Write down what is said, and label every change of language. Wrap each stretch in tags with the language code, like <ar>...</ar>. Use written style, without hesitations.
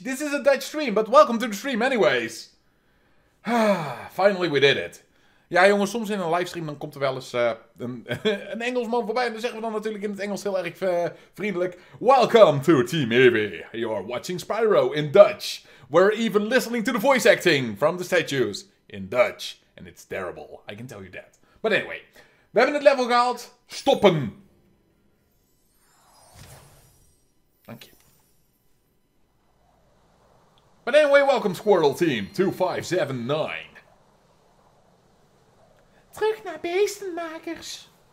<en>This is a Dutch stream, but welcome to the stream anyways. Finally we did it.</en> <nl>Ja jongens, soms in een livestream dan komt er wel eens een Engelsman voorbij. En dan zeggen we dan natuurlijk in het Engels heel erg vriendelijk.</nl> <en>Welcome to Team Eevee. You are watching Spyro in Dutch. We're even listening to the voice acting from the statues in Dutch. And it's terrible. I can tell you that. But anyway.</en> <nl>We hebben het level gehaald. Stoppen. Dank je.</nl> <en>But anyway, welcome Squirtle Team 2579.</en> <nl>Terug naar beestenmakers.</nl>